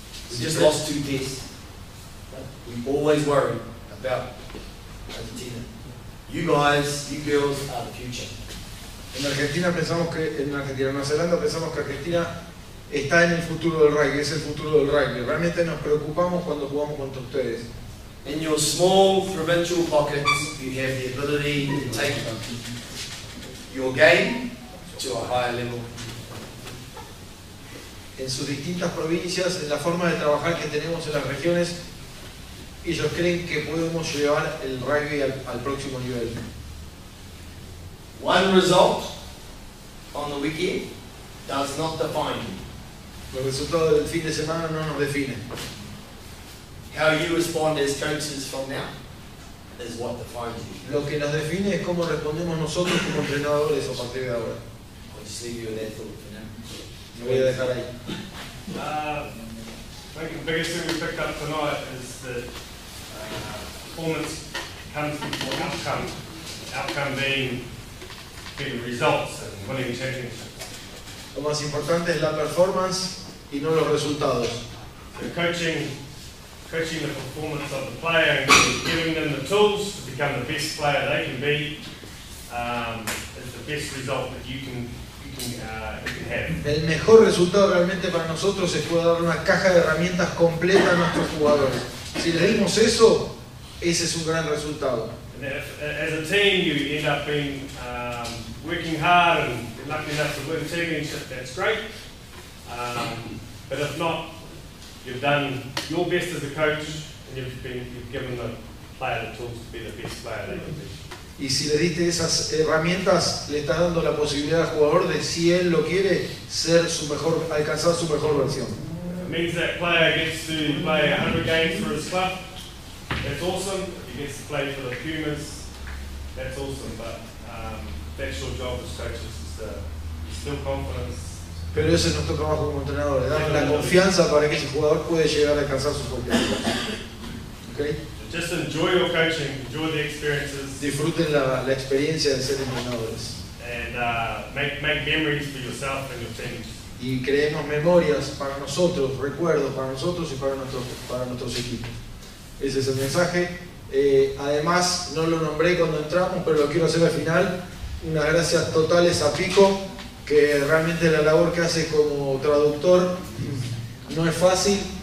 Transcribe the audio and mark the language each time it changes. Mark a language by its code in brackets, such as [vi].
[en] We just lost 2 tests. We always worry about Argentina. You guys, you girls are the future. [es] En Argentina pensamos que en Argentina, Nueva Zelanda pensamos que Argentina está en el futuro del rugby, es el futuro del rugby. Realmente nos preocupamos cuando jugamos contra ustedes. [en] In your small provincial pockets, you have the ability to take your game to a higher level. [es] En sus distintas provincias, en la forma de trabajar que tenemos en las regiones, ellos creen que podemos llevar el rugby al próximo nivel. [en] One result on the weekend does not define you. [es] El resultado del fin de semana no nos define. [en] How you respond as coaches from now is what defines you. [es] Lo que nos define es cómo respondemos nosotros como entrenadores a partir de ahora. [en] I'll just leave you with that thought for now. [es] Me voy a dejar ahí. [en] I think the biggest thing we picked up tonight is that performance comes before outcome. Outcome being getting results and winning championships. [es] Lo más importante es la performance y no los resultados. [en] So coaching the performance of the player and giving them the tools to become the best player they can be is the best result that you can have. [es] El mejor resultado realmente para nosotros es poder dar una caja de herramientas completa a nuestros jugadores. Si le dimos eso, ese es un gran resultado. [en] As a team, you end up being working hard and lucky enough to win 10 games, that's great. But if not, you've done your best as a coach and you've given the player the tools to be the best player they can be. [es] Y si le diste esas herramientas, le estás dando la posibilidad al jugador de, si él lo quiere, ser su mejor, alcanzar su mejor versión. [en] It means that player gets to play 100 games for his club. That's awesome. He gets to play for the Pumas. That's awesome. But that's your job as coaches, is to instill confidence. [es] Pero ese es nuestro trabajo como entrenador, le damos la confianza para que ese jugador puede llegar a alcanzar sus objetivos. [en] Okay. Just enjoy your coaching, enjoy the experiences. [es] Disfruten la experiencia de ser entrenadores. [en] And make memories for yourself and your teams. [es] Y creemos memorias para nosotros, recuerdos para nosotros y para nuestros equipos. Ese es el mensaje. Además, no lo nombré cuando entramos, pero lo quiero hacer al final. Unas gracias totales a Pico, que realmente la labor que hace como traductor no es fácil.